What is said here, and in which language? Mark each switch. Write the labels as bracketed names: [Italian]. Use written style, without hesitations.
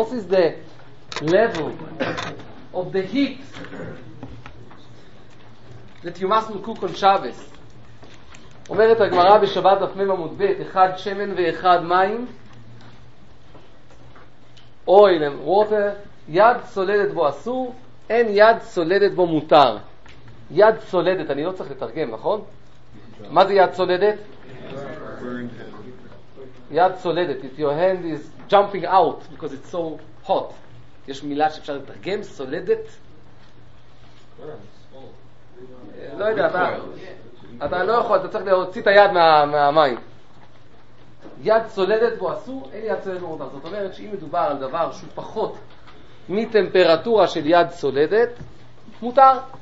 [English] What is the level of the heat that you must cook on Shabbos? [Hebrew] אומרת הגמרא בשבת אפמי במודבט, אחד שמן ואחד מים, [English] oil and water, [Hebrew] יד סולדת בו אסור, אין יד סולדת בו מותר. יד סולדת, אני לא צריך לתרגם, נכון? מה זה יד סולדת? יד סולדת, [English] if your hand is jumping out because it's so hot. [Hebrew] יש מילה שאפשר לתרגם, סולדת? לא יודע, אתה לא יכול, אתה צריך להוציא את היד מהמים. יד סולדת בו אסור, אין יד סולדת בו מותר. זאת אומרת שאם מדובר על דבר שהוא פחות מטמפרטורה של יד סולדת, מותר.